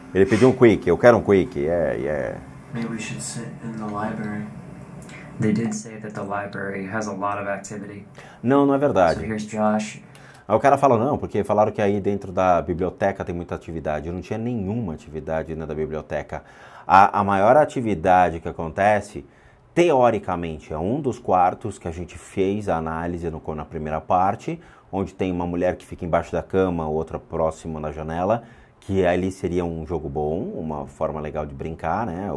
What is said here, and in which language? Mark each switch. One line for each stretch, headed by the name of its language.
Portuguese: Ele pediu um quick, eu quero um quick, yeah, yeah.
English: Maybe we should sit in the library. They did say that the library has a lot of activity.
Portuguese: Não, não é verdade.
English: So here's Josh.
Portuguese: Aí o cara fala não, porque falaram que aí dentro da biblioteca tem muita atividade. Não tinha nenhuma atividade na da biblioteca. A maior atividade que acontece, teoricamente, é um dos quartos que a gente fez a análise na primeira parte, onde tem uma mulher que fica embaixo da cama, outra próxima na janela, que ali seria um jogo bom, uma forma legal de brincar, né?